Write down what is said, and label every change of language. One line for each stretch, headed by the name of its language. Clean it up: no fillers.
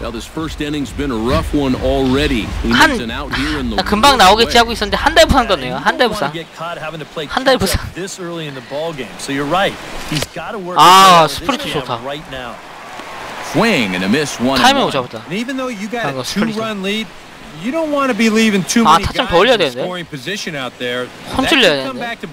English: Now this first inning's been a rough one already.
Korean: 한, 나 금방 나오겠지 하고 있었는데 한 달 부상 떴네요. 한 달 부상. 한 달 부상.
English: This early in the ball game, so you're right. He's got to work.
Korean: 아, 스프리트 좋다.
English: Swing and a miss. One.
Korean: 타이밍 오자보다. 방금 스프리트.
English: You don't want to be leaving too many.
Korean: 아, 타점 더 올려야 되는데. 혼 줄려야 되는데.